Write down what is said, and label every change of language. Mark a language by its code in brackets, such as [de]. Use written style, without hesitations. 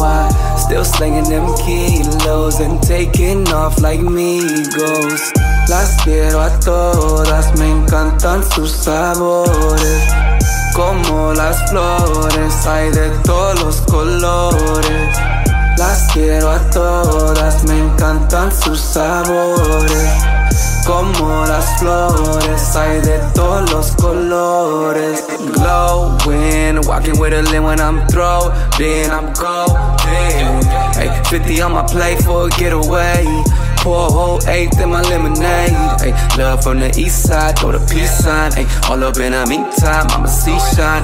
[en] I still slinging them kilos and taking off like Migos. [es] Las quiero a todas, me encantan sus sabores. Como las flores, hay de todos los colores. Las quiero a todas, me encantan sus sabores. Como las flores, hay de todos los colores. [en] Glowing, walking with a limb when I'm throwing, I'm going. Hey, 50 on my plate for a getaway. Pour a whole eighth in my lemonade. Ay, love from the east side, throw the peace sign. Ay, all up in the meantime, I'ma see shine.